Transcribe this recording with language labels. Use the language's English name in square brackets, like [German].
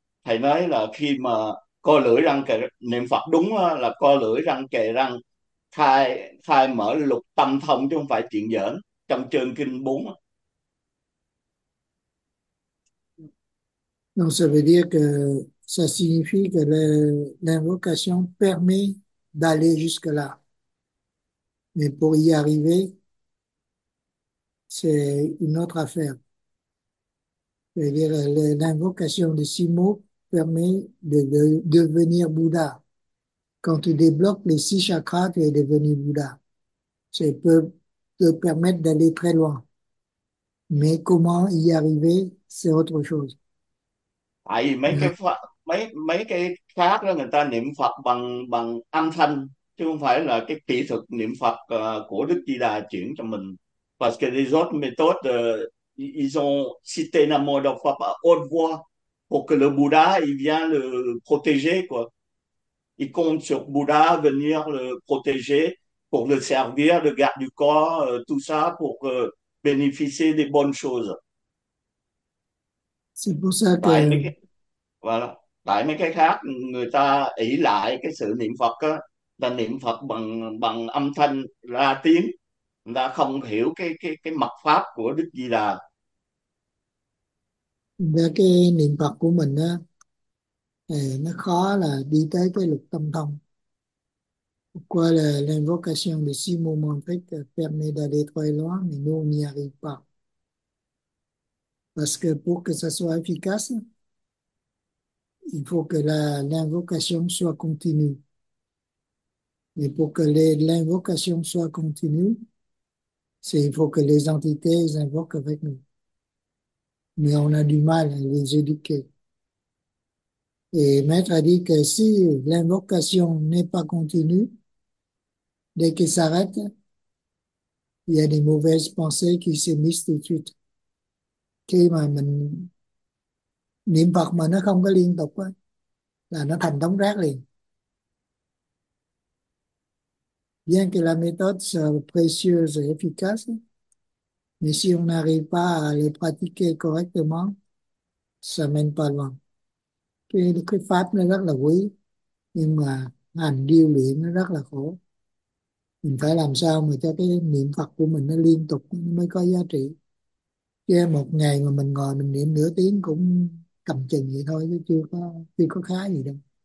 [Vietnamese] Thầy nói là khi mà co lưỡi răng kề, niệm Phật đúng là co lưỡi răng kề răng, khai khai mở lục tâm thông chứ không phải chuyện giỡn, trong chương kinh 4. [French] Donc, ça veut dire que ça signifie que l'invocation permet d'aller jusque-là. Mais pour y arriver, c'est une autre affaire. C'est-à-dire l'invocation de six mots permet de devenir Bouddha. Quand tu débloques les six chakras, tu es devenu Bouddha. Ça peut te permettre d'aller très loin. Mais comment y arriver, c'est autre chose. [Vietnamese] Tại vì mấy [French] Mais [Vietnamese] cái pháp, mấy cái khác đó người ta niệm Phật bằng bằng âm thanh chứ không phải là cái kỹ thuật niệm Phật của Đức Di Đà chuyển cho mình. [French] Parce que les autres méthodes, ils ont cité Nam Mô Đà Phật à haute voix pour que le Bouddha il vient le protéger quoi. Ils comptent sur Bouddha venir le protéger pour le servir, le garde du corps, tout ça pour bénéficier des bonnes choses. c'est pour ça [Vietnamese] Tại [French] que [Vietnamese] mấy cái, voilà, tại mấy cái khác người ta ỷ lại cái sự niệm Phật á, là niệm Phật bằng bằng âm thanh ra tiếng, người ta không hiểu cái mật pháp của Đức Di Đà. và cái niệm Phật của mình á thì nó khó là đi tới cái lục tâm thông qua là [French] l'invocation de six mots mantriques permet d'aller très loin mais nous on n'y arrive pas. Parce que pour que ça soit efficace, il faut que l'invocation soit continue. Mais pour que l'invocation soit continue, il faut que les entités les invoquent avec nous. Mais on a du mal à les éduquer. Et Maître a dit que si l'invocation n'est pas continue, dès qu'elle s'arrête, il y a des mauvaises pensées qui s'émissent tout de suite. [Vietnamese] Khi mà mình niệm Phật mà nó không có liên tục á là nó thành đống rác liền. [French] Bien que la méthode soit précieuse et efficace, mais si on n'arrive pas à les pratiquer correctement, ça mène pas loin. [Vietnamese] Cái pháp nó rất là quý, nhưng mà hành điều luyện nó rất là khổ. Mình phải làm sao mà cho cái niệm Phật của mình nó liên tục mới có giá trị. Chứ một ngày mà mình ngồi mình niệm nửa tiếng cũng cầm chừng vậy thôi chứ chưa có khá gì đâu.